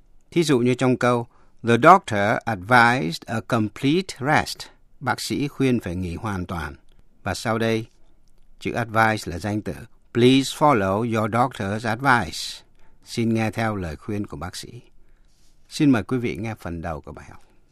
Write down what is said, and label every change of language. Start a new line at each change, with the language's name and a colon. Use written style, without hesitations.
Vietnamese: Thí dụ như trong câu
English: The doctor advised a complete rest.
Vietnamese: Bác sĩ khuyên phải nghỉ hoàn toàn. Và sau đây, chữ advice là danh từ.
English: Please follow your doctor's advice.
Vietnamese: Xin nghe theo lời khuyên của bác sĩ. Xin mời quý vị nghe phần đầu của bài học.